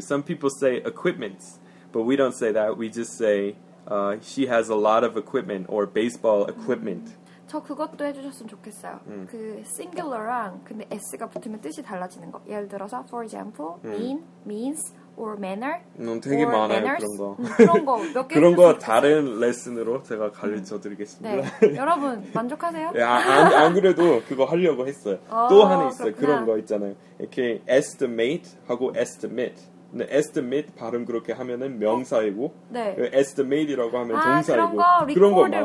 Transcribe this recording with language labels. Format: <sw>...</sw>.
<en>Some people say equipments, but we don't say that. We just say she has a lot of equipment or baseball equipment.</en> <ko>저 그것도 해주셨으면 좋겠어요. 그 singular랑 근데 s가 붙으면 뜻이 달라지는 거. 예를 들어서</ko> <en>for example,</en> <ko>mean, means, or manner. 되게 or 많아요 manners? 그런 거. 그런 거 몇 개. 그런 거 다른 레슨으로 제가 가르쳐드리겠습니다. 네. 여러분 만족하세요? 야, 안 그래도 그거 하려고 했어요. 또 하나 있어요. 그렇구나. 그런 거 있잖아요. 이렇게 estimate 하고 estimate. 근데 estimate 발음 그렇게 하면은 명사이고 네. estimate이라고 하면 동사이고 그런 거 record, 많아요.</ko>